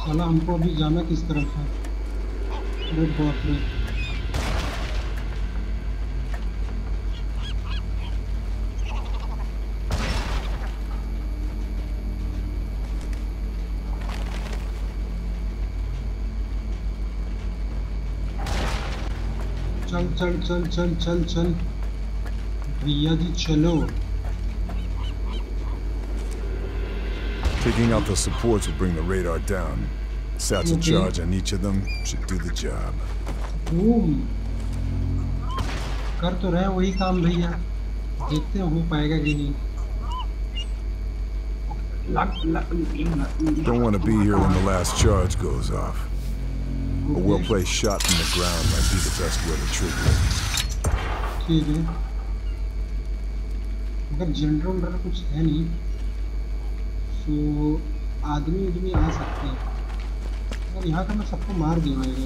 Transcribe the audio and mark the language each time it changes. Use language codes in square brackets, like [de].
[hi] साला हमको अभी जाना किस तरफ है, बहुत बहुत चल चल चल चल चल भैया जी चलो। [en] Taking out the supports will bring the radar down. Sats of charge on each of them should do the job. Boom. [hi] कर तो रहे वही काम भैया, देखते हो पाएगा कि नहीं। [en] Don't want to be here when the last charge goes off. A well placed shot from the ground might be the best way to trigger it. [hi] ठीक है, अगर जनरल डर कुछ है नहीं तो आदमी उदमी आ सकते हैं, अगर यहाँ तो मैं सबको मार दूंगा।